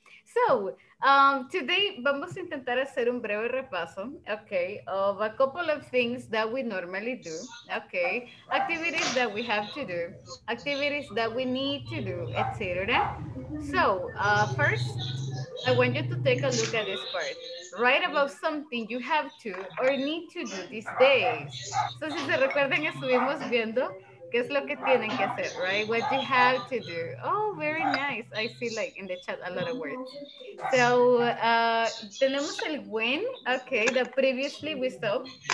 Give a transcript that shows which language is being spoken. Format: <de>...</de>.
<en>So, today</en> <es>vamos a intentar hacer un breve repaso,</es> <en>okay, of a couple of things that we normally do, okay, activities that we have to do, activities that we need to do, etc. So, first, I want you to take a look at this part. Write about something you have to or need to do these days.</en> <es>So, si se recuerdan, estuvimos viendo qué es lo que tienen que hacer, right?</es> <en>What you have to do. Oh, very nice. I see, like, in the chat, a lot of words. So,</en> <es>tenemos el</es> <en>when, okay, that previously we saw.</en>